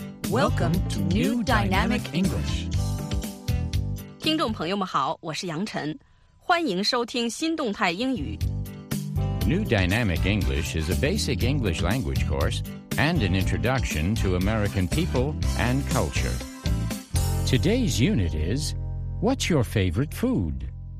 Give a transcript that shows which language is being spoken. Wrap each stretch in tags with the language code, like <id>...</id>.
<en>Welcome to New Dynamic English.</en> <zh>听众朋友们好，我是杨晨，欢迎收听新动态英语。</zh> <en>New Dynamic English is a basic English language course and an introduction to American people and culture. Today's unit is, What's your favorite food?</en>